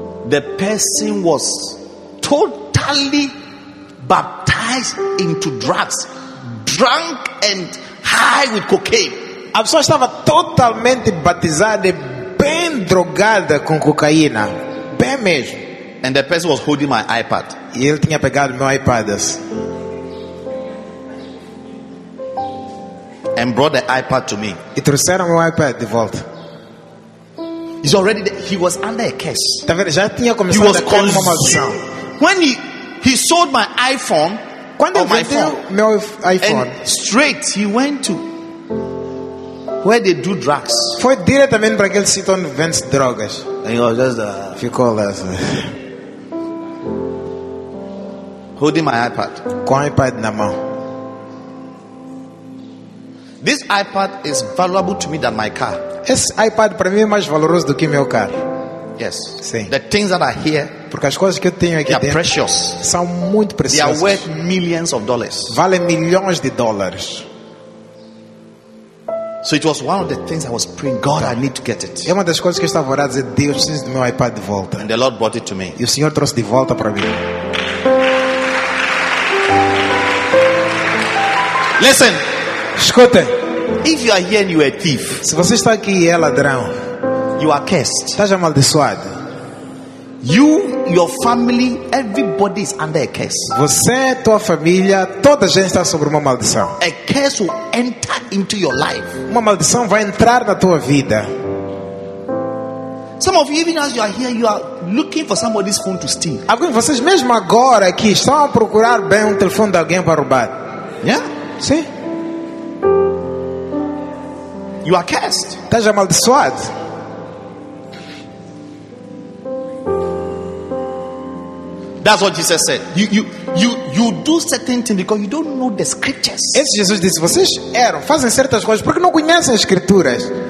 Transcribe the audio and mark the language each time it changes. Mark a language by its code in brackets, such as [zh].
[en] The person was totally baptized into drugs, drunk and high with cocaine. [pt] A pessoa estava totalmente batizada, bem drogada com cocaína, bem mesmo. [en] And the person was holding my iPad. [pt] E ele tinha pegado meu iPad. [en] And brought the iPad to me. [pt] E trouxeram meu iPad de volta. [en] He's already there. He was under a curse. [pt] Tá vendo? Já tinha começado. [en] He was consumed. When he sold my iPhone, [pt] quando ele vendeu meu iPhone, [en] and straight he went to where they do drugs. [pt] Foi diretamente para aquele sítio onde vende drogas. [en] And he was just a holding my iPad. [pt] Com iPad na mão. [en] This iPad is valuable to me than my car. [pt] Esse iPad para mim é mais valoroso do que meu carro. [en] Yes. [pt] Sim. [en] The things that are here, [pt] porque as coisas que eu tenho aqui dentro, [en] are precious. [pt] São muito preciosas. [en] They are worth millions of dollars. [pt] Valem milhões de dólares. [en] So it was one of the things I was praying, God, I need to get it. [pt] É uma das coisas que eu estava orando, dizer, Deus, preciso do meu iPad de volta. [en] And the Lord brought it to me. [pt] E o Senhor trouxe de volta para mim. [en] Listen, [pt] escute. [en] If you are here and you are a thief, [pt] se você está aqui e é ladrão, [en] you are cursed. [pt] Estás amaldiçoado. [en] You, your family, everybody is under a curse. [pt] Você, tua família, toda a gente está sobre uma maldição. [en] A curse will enter into your life. [pt] Uma maldição vai entrar na tua vida. [en] Some of you, even as you are here, you are looking for somebody's phone to steal. [pt] Alguns de vocês mesmo agora aqui estão a procurar bem um telefone de alguém para roubar. [en] Yeah. [pt] Sim. [en] You are cursed. [pt] Estás amaldiçoado. [en] That's what Jesus said. You do certain things because you don't know the scriptures. [pt] Esse Jesus disse, vocês eram, fazem certas coisas porque não conhecem as escrituras.